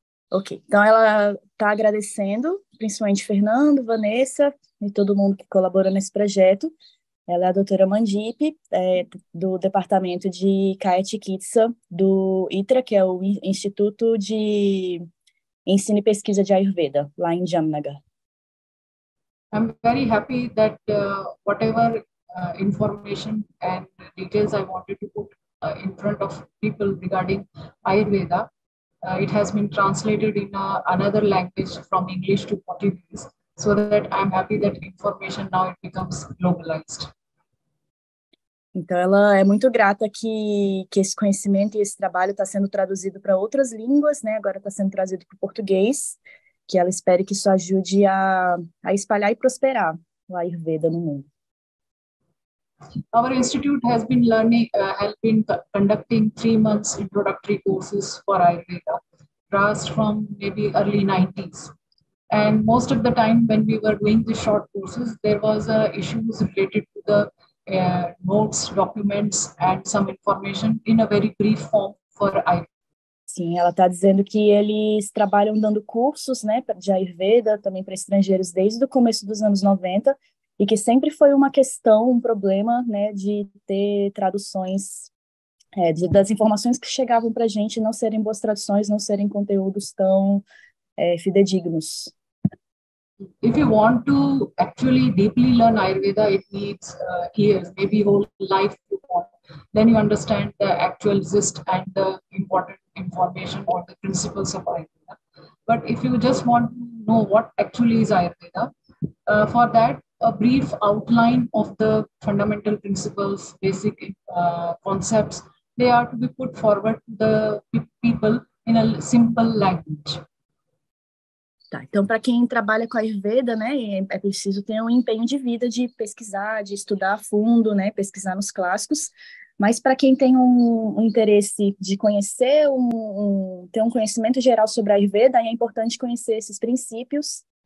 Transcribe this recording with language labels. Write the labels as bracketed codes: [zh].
[pt] Ok, então ela está agradecendo, principalmente Fernando, Vanessa e todo mundo que colabora nesse projeto. Ela é a doutora Mandeep, do Departamento de Kaya Chikitsa, do ITRA, que é o Instituto de Ensino e Pesquisa de Ayurveda, lá em Jamnagar. [en] I'm very happy that whatever information and details I wanted to put in front of people regarding Ayurveda, it has been translated in another language from English to Portuguese, so that I'm happy that information now it becomes globalized. [pt] Então, ela é muito grata que esse conhecimento e esse trabalho está sendo traduzido para outras línguas, né? Agora está sendo traduzido para o português, que ela espere que isso ajude a espalhar e prosperar o Ayurveda no mundo. [en] Our institute has been learning, has been conducting 3 months introductory courses for Ayurveda, last from maybe early 90s. And most of the time when we were doing the short courses, there was issues related to the notes, documents, and some information in a very brief form for Ayurveda. [pt] Sim, ela está dizendo que eles trabalham dando cursos, né, de Ayurveda também para estrangeiros desde o começo dos anos 90. E que sempre foi uma questão, um problema, né, de ter traduções, das informações que chegavam para a gente não serem boas traduções, não serem conteúdos tão fidedignos. [en] If you want to actually deeply learn Ayurveda, it needs years, maybe whole life before. Then you understand the actual gist and the important information or the principles of Ayurveda. But if you just want to know what actually is Ayurveda, for that, a brief outline of the fundamental principles, basic concepts, they are to be put forward to the people in a simple language. [pt] Tá, então para quem trabalha com a Ayurveda, né, é preciso ter um empenho de vida de pesquisar, de estudar a fundo, né, pesquisar nos clássicos. Mas para quem tem um interesse de conhecer, ter um conhecimento geral sobre a Ayurveda, é importante conhecer esses princípios.